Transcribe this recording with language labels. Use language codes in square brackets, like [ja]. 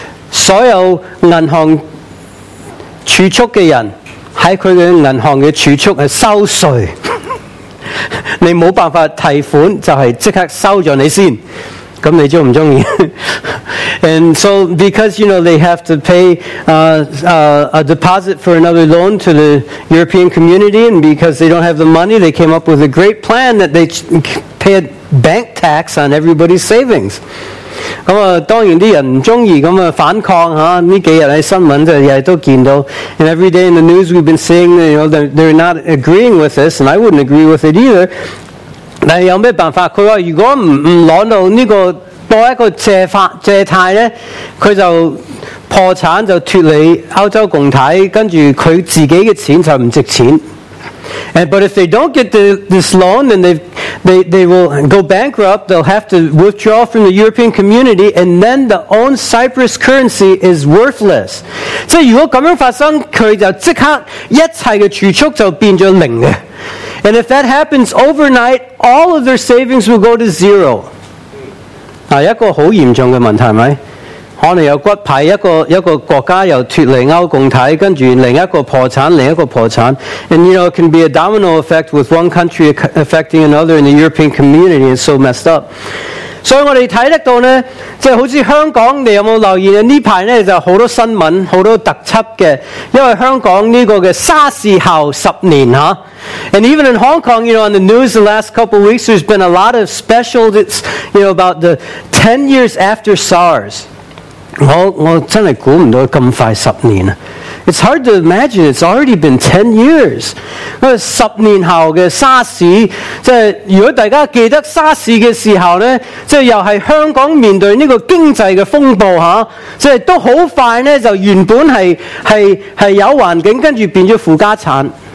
[yue] 所有银行储蓄的人在他的银行的储蓄是收税，你没办法提款，就是即刻收了你先，那你就不喜欢。 [en] And so because, you know, they have to pay a deposit for another loan to the European community, and because they don't have the money, they came up with a great plan that they pay a bank tax on everybody's savings. [yue] 当然啲人唔中意咁啊，反抗吓呢几日喺新闻就日日都见到。 [en] And every day in the news we've been seeing, you know, they're not agreeing with this, and I wouldn't agree with it either. [yue] 但有咩办法？佢话如果唔攞到呢个多一个借贷咧，佢就破产，就脱离欧洲共体，跟住佢自己嘅钱就唔值钱。 [en] But if they don't get this loan, then they will go bankrupt. They'll have to withdraw from the European community, and then the own Cyprus currency is worthless. [yue] 即如果咁样发生，佢就即刻一切嘅储蓄就变咗零嘅。 [en] And if that happens overnight, all of their savings will go to zero. [yue] 一个好严重嘅问题，咪？可能有骨牌一个国家又脱离欧共体，跟住另一个破产。 [en] And you know, it can be a domino effect with one country affecting another in the European community. It's so messed up. [yue] 所以我哋睇得到呢，即係好似香港，你有冇留意呢排呢就好多新聞，好多特輯嘅，因为香港呢个嘅沙士后十年啊。 [en] And even in Hong Kong, you know, on the news the last couple of weeks, there's been a lot of special, it's, you know, about the 10 years after SARS. [yue] 我真的估唔到咁快十年啊。 [en] It's hard to imagine, it's already been 10 years. [yue] 十年后嘅沙士，即係如果大家记得沙士嘅时候呢，即係又係香港面对呢个经济嘅风暴下，即係都好快呢就原本係有环境，跟住变咗负家产。